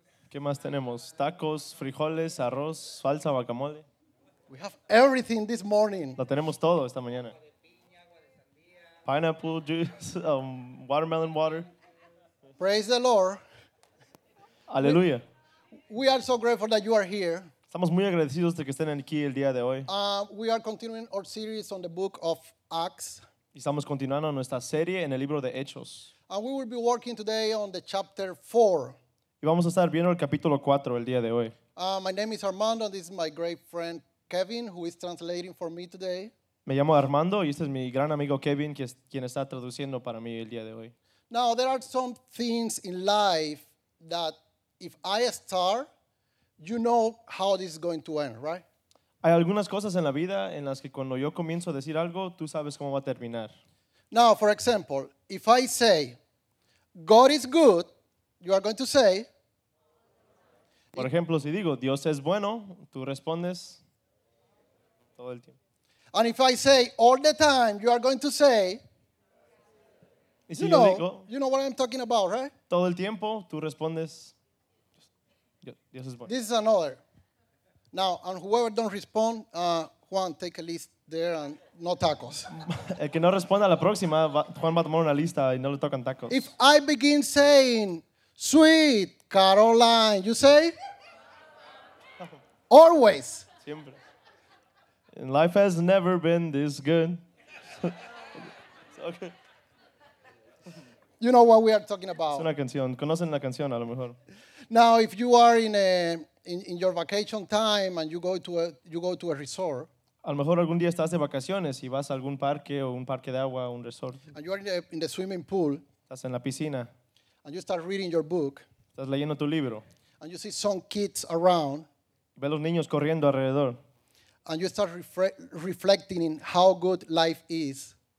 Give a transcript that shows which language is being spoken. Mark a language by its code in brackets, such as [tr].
[es] ¿Qué más tenemos? Tacos, frijoles, arroz, salsa, guacamole. [en] We have everything this morning. [es] Lo tenemos todo esta mañana. [en] Pineapple juice, watermelon water. Praise the Lord. [es] Aleluya. [en] We are so grateful that you are here. [es] Estamos muy agradecidos de que estén aquí el día de hoy. [en] We are continuing our series on the book of Acts. [es] Estamos continuando nuestra serie en el libro de Hechos. [en] And we will be working today on the chapter 4. [es] Y vamos a estar viendo el capítulo 4 el día de hoy. [en] My name is Armando, and this is my great friend Kevin, who is translating for me today. [es] Me llamo Armando y este es mi gran amigo Kevin, quien está traduciendo para mí el día de hoy. [en] Now, there are some things in life that if I start, you know how this is going to end, right? [es] Hay algunas cosas en la vida en las que cuando yo comienzo a decir algo, tú sabes cómo va a terminar. [en] Now, for example, if I say, God is good, you are going to say... [es] Por ejemplo, si digo, Dios es bueno, tú respondes... [en] And if I say all the time, you are going to say, [es] y si yo digo, [en] you know what I'm talking about, right? [es] Todo el tiempo, tú respondes, Dios es bueno. [en] This is another. Now, and whoever don't respond, Juan, take a list there and no tacos. [es] El que no responda a la próxima, Juan va a tomar una lista y no le tocan tacos. [en] If I begin saying, sweet Caroline, you say? Always. [es] Siempre. [en] And life has never been this good. Okay. You know what we are talking about. [es] Es una canción. Conocen la canción, a lo mejor. [en] Now, if you are in your vacation time and you go to a resort. [es] A lo mejor algún día estás de vacaciones y vas a algún parque o un parque de agua, un resort. [en] And you are in the swimming pool. [es] Estás en la piscina. [en] And you start reading your book. [es] Estás leyendo tu libro. [en] And you see some kids around. [es] Ve los niños corriendo alrededor. [en] And you start reflecting in how good life is.